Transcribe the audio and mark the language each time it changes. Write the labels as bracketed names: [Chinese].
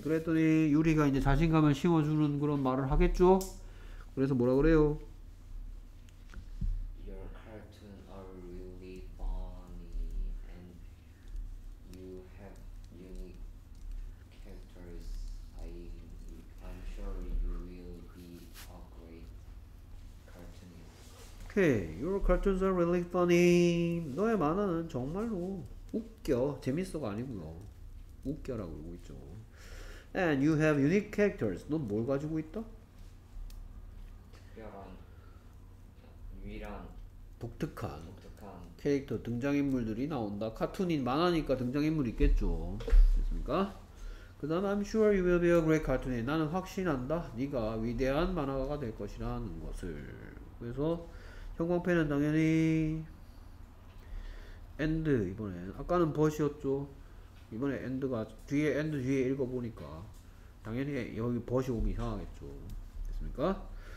[Korean] 그랬더니, 유리가 이제 자신감을 심어주는 그런 말을 하겠죠? 그래서 뭐라 그래요? [English] Your cartoons are really funny and you have unique characters. I'm sure you will be a great cartoonist. Okay, your cartoons are really funny. [Korean] 너의 만화는 정말로 웃겨. 재밌어가 아니고요. 웃겨라 그러고 있죠. [English] And you have unique characters. [Korean] 넌뭘 가지고 있다? 특별한, 유일한, 독특한 독특한. 캐릭터 등장인물들이 나온다. 카툰인 만화니까 등장인물 있겠죠. 됐습니까? 그 다음 [English] I'm sure you will be a great cartoonist. [Korean] 나는 확신한다. 네가 위대한 만화가가 될 것이라는 것을. 그래서 형광펜은 당연히 and 이번엔 아까는 but이었죠. 이번에 and가 뒤에 and 뒤에 읽어보니까 당연히 여기 but이 오면 이상하겠죠. 됐습니까?